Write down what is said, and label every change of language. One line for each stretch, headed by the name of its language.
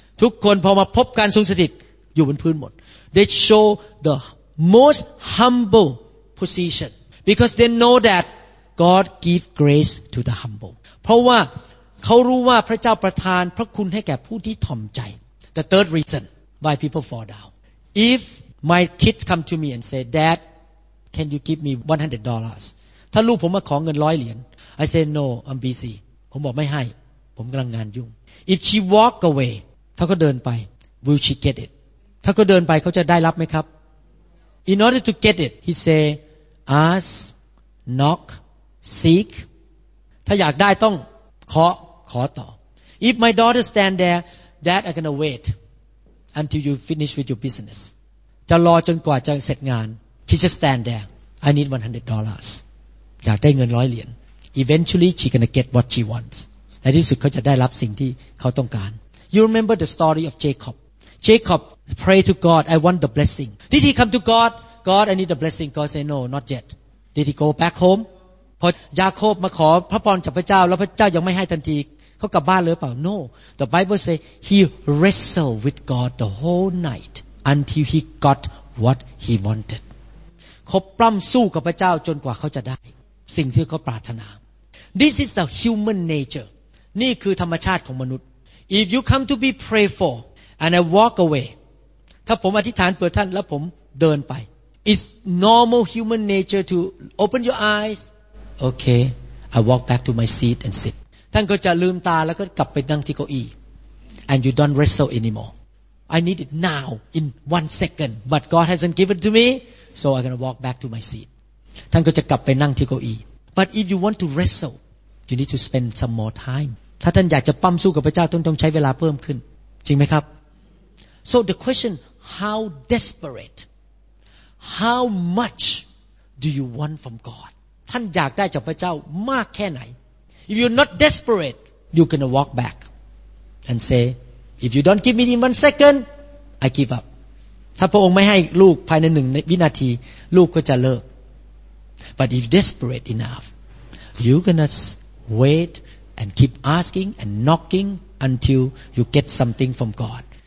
Thai: ทุกคนพอมาพบการทรงสถิตอยู่บนพื้นหมด
English: They show the most humble position because they know that God give grace to the humble.
Thai: เพราะว่าเขารู้ว่าพระเจ้าประทานพระคุณให้แก่ผู้ที่ถ่อมใจ
English: The third reason why people fall down. If my kids come to me and say, "Dad, can you give me $100?"
Thai: ถ้าลูกผมมาขอเงิน100 เหรียญ
English: I say, "No, I'm busy."
Thai: ผมบอกไม่ให้ผมกำลังงานยุ่ง
English: If she walk away,
Thai: ถ้าเขาเดินไป
English: will she get it?
Thai: ถ้าเขาเดินไปเขาจะได้รับไหมครับ
English: In order to get it, he say, ask, knock, seek.
Thai: ถ้าอยากได้ต้องขอต่อ
English: If my daughter stand there, Dad, I'm gonna wait until you finish with your business.
Thai: จะรอจนกว่าจะเสร็จงาน
English: She just stand there. I need $100.
Thai: อยากได้เงิน100 เหรียญ
English: Eventually, she gonna get what she wants.
Thai: ในที่สุดเขาจะได้รับสิ่งที่เขาต้องการ
English: You remember the story of Jacob. Jacob pray to God, I want the blessing. Did he come to God? God, I need the blessing. God say, no, not yet. Did he go back home?
Thai: พอยาโคบมาขอพระพรจากพระเจ้าแล้วพระเจ้ายังไม่ให้ทันทีเขากลับบ้านหรือเปล่า
English: No. The Bible say, he wrestled with God the whole night until he got what he wanted.
Thai: คบปล้ำสู้กับพระเจ้าจนกว่าเขาจะได้สิ่งที่เขาปรารถนา
English: This is the human nature.
Thai: นี่คือธรรมชาติของมนุษย์
English: If you come to be prayed forAnd I walk away.
Thai: ถ้าผมอธิษฐานเผื่อท่านแล้วผมเดินไป
English: It's normal human nature to open your eyes. Okay, I walk back to my seat and sit.
Thai: ท่านก็จะลืมตาแล้วก็กลับไปนั่งที่เก้าอี้
English: And you don't wrestle anymore. I need it now in 1 second. But God hasn't given to me, so I'm gonna walk back to my seat.
Thai: ท่านก็จะกลับไปนั่งที่เก้าอี้
English: But if you want to wrestle, you need to spend some more time.
Thai: ถ้าท่านอยากจะปั้มสู้กับพระเจ้าต้องใช้เวลาเพิ่มขึ้นจริงไหมครับ
English: So the question how desperate how much do you want from God
Thai: ท่านอยากได้จากพระเจ้ามากแค่ไหน
English: If you're not desperate you're gonna walk back and say if you don't give me in 1 second I give up
Thai: ถ้าพระองค์ไม่ให้ลูกภายในหนึ่งวินาทีลูกก็จะเลิก
English: But if desperate enough you're gonna wait and keep asking and knockingUntil you get something from God.